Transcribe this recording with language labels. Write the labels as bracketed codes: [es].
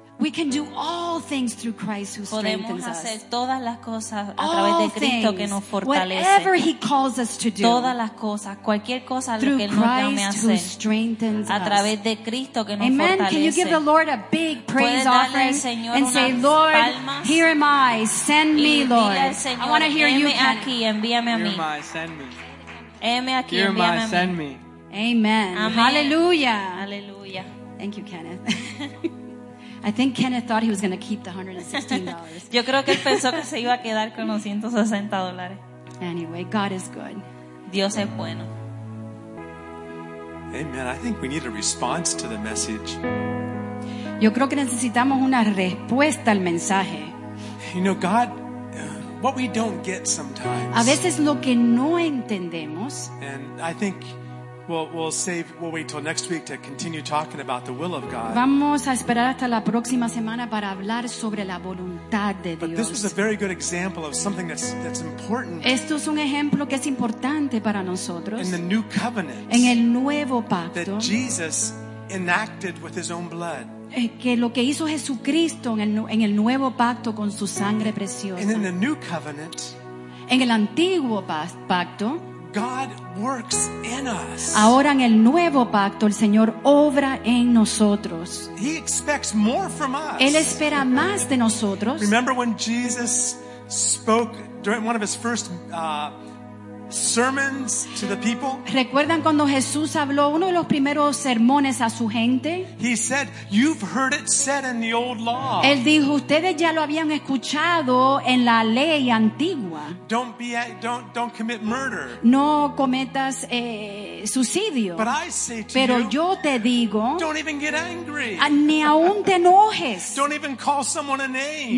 [en] We can do all things through Christ who strengthens us. [es] Podemos hacer todas las cosas a través de Cristo que nos fortalece. [en] Whatever he calls us to do. [es] Todas las cosas, cualquier cosa lo que él nos llame a hacer. [en] Through Christ who strengthens us. [es] A través de Cristo que nos [en] Amen. [es] Fortalece. [en] Amen. Can you give the Lord a big praise offering [es] Señor [en] and say, Lord, [es] palmas. [en] Here am I. Send me, Lord. [es] Señor, [en] I want to hear you. [es] Heme aquí, envíame a mí. [en] Here am I. Send me. [es] Heme aquí, [en] here [es] envíame [en] am I. Send me. Amen. Amen. Hallelujah. Hallelujah. Thank you, Kenneth. I think Kenneth thought he was going to keep the $116. [es] Yo creo que él pensó que se iba a quedar con los $160. [en] Anyway, God is good. [es] Dios es bueno. [en] Amen. I think we need a response to the message. [es] Yo creo que necesitamos una respuesta al mensaje. [en] You know, God, what we don't get sometimes. [es] A veces lo que no entendemos. [en] And I think we'll wait till next week to continue talking about the will of God. [es] Vamos a esperar hasta la próxima semana para hablar sobre la voluntad de Dios. [en] But this was a very good example of something that's important. [es] Esto es un ejemplo que es importante para nosotros. [en] In the new covenant. [es] En el nuevo pacto. [en] That Jesus enacted with his own blood. [es] Que lo que hizo Jesucristo en el nuevo pacto con su sangre preciosa. [en] And in the new covenant. [es] En el antiguo pacto. [en] God works in us. [es] Ahora en el nuevo pacto el Señor obra en nosotros. [en] He expects more from us. [es] Él espera más de nosotros. [en] Remember when Jesus spoke during one of his first sermons to the people? [es] ¿Recuerdan cuando Jesús habló uno de los primeros sermones a su gente? [en] He said, "You've heard it said in the old law." [es] Él dijo, "Ustedes ya lo habían escuchado en la ley antigua." [en] Don't commit murder. [es] No cometas suicidio. [en] But I say to [es] Pero [en] you, [es] yo te digo, [en] don't even get angry. [es] Ni aun te enojes. [en] Don't even call someone a name.